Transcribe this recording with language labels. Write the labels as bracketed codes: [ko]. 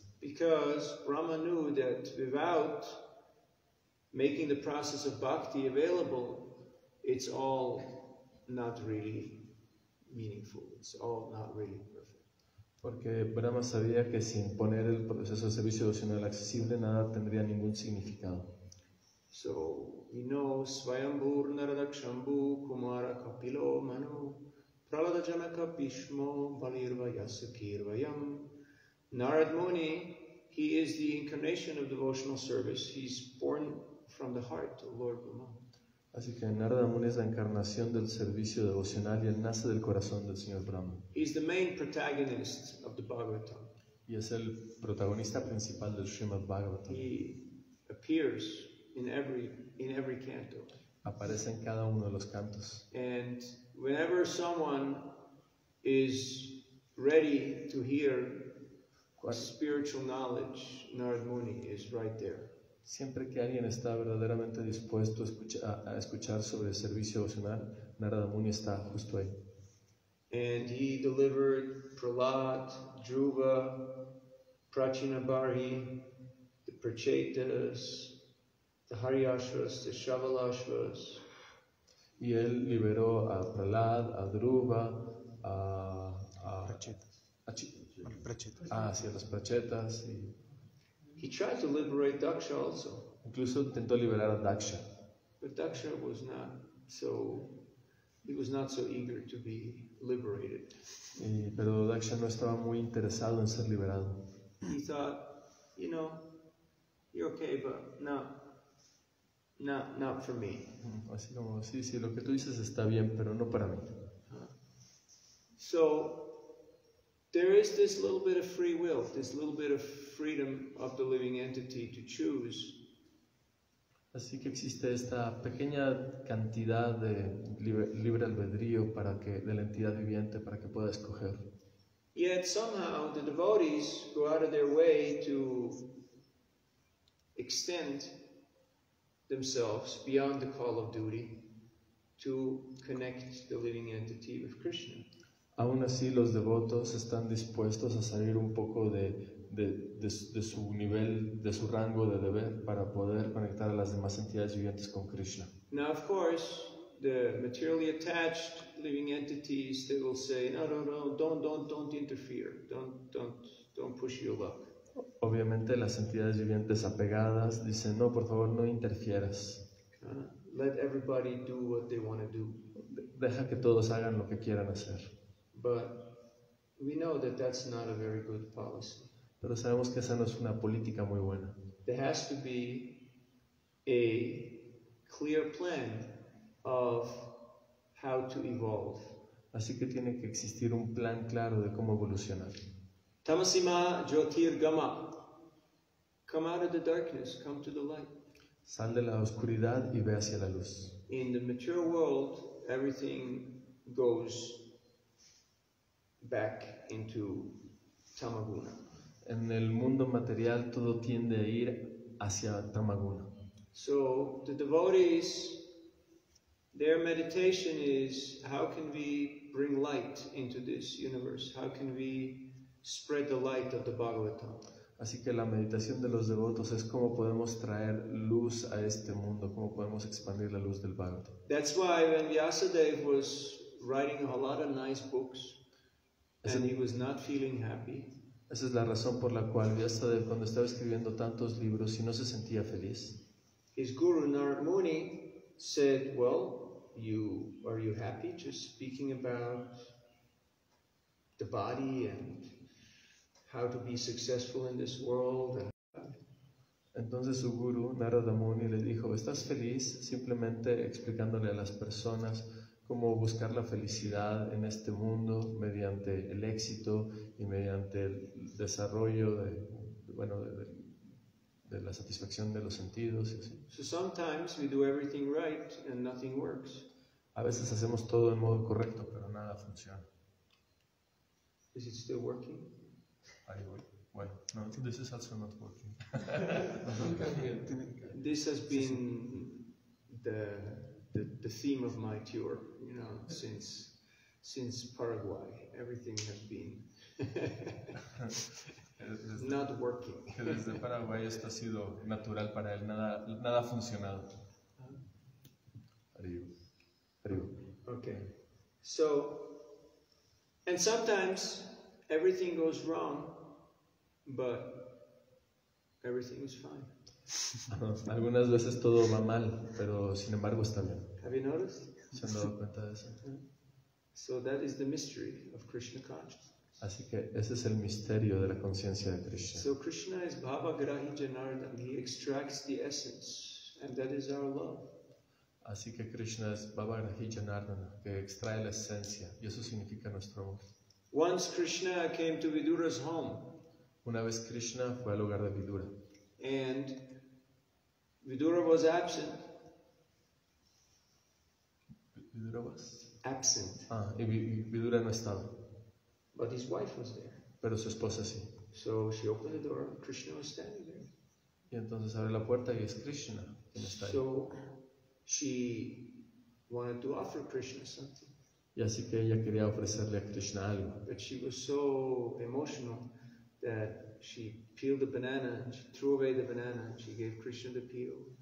[en] Because Brahma knew that without making the process of bhakti available, it's all not really meaningful. It's all not really perfect. [es] Porque Brahma sabía que sin poner el proceso de servicio devocional accesible, nada tendría ningún significado. [en] So, you know, [sa] Svayambhur Naradakshambhu Kumara Kapilo Manu Pralada Janaka Bhishmo Balirva Yasakirvayam. [en] Narad Muni, he is the incarnation of devotional service. He's born from the heart of Lord Brahma. [es] Así que Narada Muni es la encarnación del servicio devocional y él nace del corazón del señor Brahma. [en] He's the main protagonist of the Bhagavatam. [es] Y es el protagonista principal del Srimad Bhagavatam. [en] He appears in every canto. [es] Aparece en cada uno de los cantos. [en] And whenever someone is ready to hear spiritual knowledge, Narad Muni is right there. [es] Siempre que alguien está verdaderamente dispuesto a escuchar sobre el servicio emocional, Narada Muni está justo ahí. [en] And he delivered Prahlad, Dhruva, Prachinabari, the Prachetas, the Hariashvas, the Shavalashvas. [es] Y él liberó a Prahlad, a Dhruva, las Prachetas. Y [en] he tried to liberate Daksha also. [es] Incluso intentó liberar a Daksha. [en] But Daksha was not so eager to be liberated. [es] Pero Daksha no estaba muy interesado en ser liberado. [en] He thought, you know, you're okay, but not for me. [es] Así como, sí, lo que tú dices está bien, pero no para mí. [en] So there is this little bit of free will, this little bit of freedom of the living entity to choose. [es] Así que existe esta pequeña cantidad de libre albedrío para que de la entidad viviente para que pueda escoger. [en] Yet somehow the devotees go out of their way to extend themselves beyond the call of duty to connect the living entity with Krishna. [es] Aún así, los devotos están dispuestos a salir un poco de su nivel, de su rango de deber, para poder conectar a las demás entidades vivientes con Krishna. [en] Now, of course, the materially attached living entities, they will say, no, don't interfere, don't push your luck. [es] Obviamente, las entidades vivientes apegadas dicen, no, por favor, no interfieras. [en] Let everybody do what they want to do. [es] Deja que todos hagan lo que quieran hacer. [en] But we know that that's not a very good policy. [es] Pero sabemos que esa no es una política muy buena. [en] There has to be a clear plan of how to evolve. [es] Así que tiene que existir un plan claro de cómo evolucionar. [sa] Tamasima Jyotir Gama. [en] Come out of the darkness, come to the light. [es] Sal de la oscuridad y ve hacia la luz. [en] In the mature world, everything goes back into tamaguna. [es] En el mundo material todo tiende a ir hacia tamaguna. [en] So the devotees, their meditation is how can we bring light into this universe? How can we spread the light of the Bhagavatam? [es] Así que la meditación de los devotos es cómo podemos traer luz a este mundo, cómo podemos expandir la luz del Bhagavatam. [en] That's why when Vyasadeva was writing a lot of nice books, and he was not feeling happy. [es] Esa es la razón por la cual Vyasadeva, cuando estaba escribiendo tantos libros y no se sentía feliz. [en] His guru Narad Muni said, "Well, are you happy just speaking about the body and how to be successful in this world. [es] Entonces su guru Narada Muni le dijo, ¿estás feliz? Simplemente explicándole a las personas cómo buscar la felicidad en este mundo mediante el éxito y mediante el desarrollo de la satisfacción de los sentidos. [en] So sometimes we do everything right and nothing works. [es] A veces hacemos todo en modo correcto, pero nada funciona. [en] Is it still working? [es] Bueno, no, [en] this is also not working. This has been the theme of my tour, you know, since Paraguay. Everything has been not working. [es] Que desde Paraguay esto ha sido natural para él, nada ha funcionado. Arriba. [en] Okay. So, and sometimes everything goes wrong, but everything is fine. [es] Algunas veces todo va mal, pero sin embargo está bien. [en] Have you noticed? [es] ¿Se han dado cuenta de eso? [en] So that is the mystery of Krishna consciousness. [es] Así que ese es el misterio de la conciencia de Krishna. [en] So Krishna is Bhava Grahi Janardhan. He extracts the essence, and that is our love. [es] Así que Krishna es Bhava Grahi Janardhan, que extrae la esencia, y eso significa nuestro amor. [en] Once Krishna came to Vidura's home. [es] Una vez Krishna fue al hogar de Vidura. [en] And Vidura was absent. Vidura was absent. [es] Ah, y Vidura no estaba. [en] But his wife was there. [es] Pero su esposa sí. [en] So she opened the door. Krishna was standing there. [es] Y entonces abre la puerta y es Krishna quien está ahí. [en] So she wanted to offer Krishna something. [es] Y así que ella quería ofrecerle a Krishna algo. [en] But she was so emotional that she peeled the banana and she threw away the banana and she gave Krishna the peel.